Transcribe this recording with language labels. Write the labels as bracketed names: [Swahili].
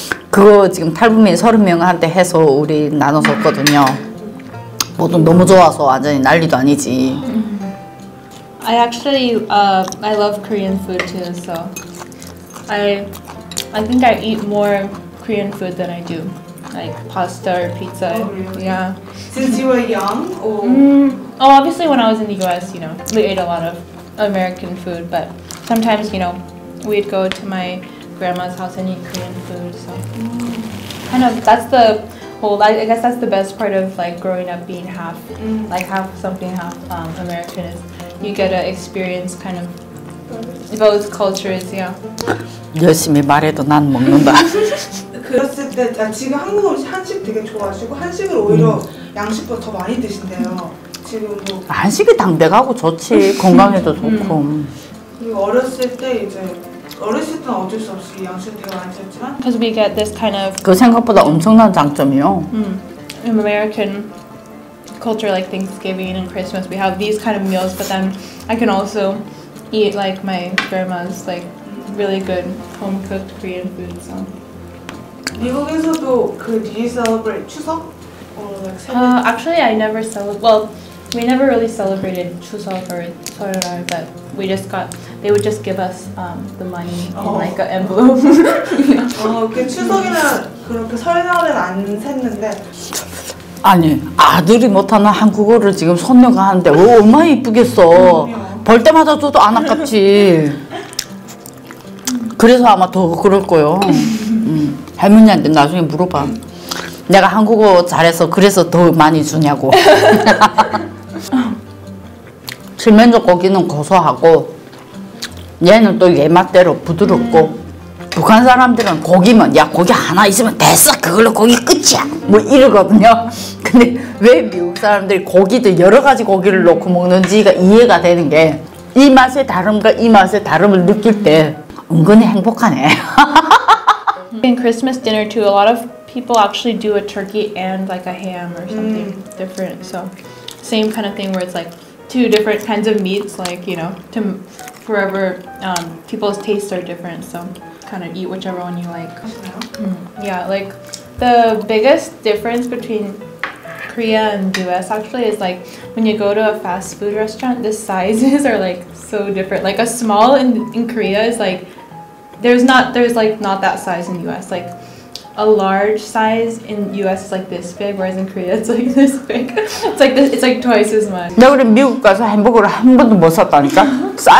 [Korean] 그거 지금 탈북민 30명한테 해서 우리 나눠줬거든요. 모두 너무 좋아서 완전히 난리도 아니지. [English] I actually I love Korean food too. So I think I eat more Korean food than I do. Like pasta or pizza. Oh, really? Yeah. Since you were young? Oh, obviously when I was in the US, you know, we ate a lot of American food, but sometimes, you know, we'd go to my grandma's house and eat Korean food, so. Kind of, that's the whole, I guess that's the best part of like growing up being half, like half something, half American is you get to experience kind of both cultures, yeah. [Korean] 열심히 말해도 난 먹는다. 그랬을 때 지금 한국은 한식 되게 좋아하시고 한식을 오히려 양식보다 더 많이 드신대요. 지금 뭐 한식이 담백하고 좋지 건강에도 좋고. 어렸을 때 이제 어렸을 때는 어쩔 수 없이 양식 되게 많이 드셨지만. [English] Because we get this kind of [Korean] 그 생각보다 엄청난 장점이요. [English] American culture like Thanksgiving and Christmas we have these kind of meals but then I can also eat like my grandma's like really good home cooked Korean food so. [Korean] 미국에서도 그 뉴 [English] 셀러브레 추석 Actually, I never celebrate. Well, we never really celebrated 추석 or 설날, but we just got. They would just give us the money in like an envelope. [Korean] 그 추석이나 그렇게 설날은 안 샜는데 아니 아들이 못하는 한국어를 지금 손녀가 하는데 얼마나 이쁘겠어. 볼 때마다 저도 안 아깝지. 그래서 아마 더 그럴 거예요. 할머니한테 나중에 물어봐. 내가 한국어 잘해서 그래서 더 많이 주냐고. 칠면조 고기는 고소하고 얘는 또 얘 맛대로 부드럽고 북한 사람들은 고기면 야 고기 하나 있으면 됐어 그걸로 고기 끝이야 뭐 이러거든요. 근데 왜 미국 사람들이 고기도 여러 가지 고기를 넣고 먹는지가 이해가 되는 게 이 맛의 다름과 이 맛의 다름을 느낄 때 은근히 행복하네. [English] In Christmas dinner too, a lot of people actually do a turkey and like a ham or something different. So same kind of thing where it's like two different kinds of meats, like you know, to forever people's tastes are different. So kind of eat whichever one you like. Yeah, like the biggest difference between Korea and US actually is like when you go to a fast food restaurant, the sizes are like so different. Like a small in Korea is like there's not that size in US. Like a large size in US is like this big, whereas in Korea it's like this big. It's like this, it's like twice as much. [Korean] 나 우리 미국 가서 햄버거를 한 번도 못 샀다니까.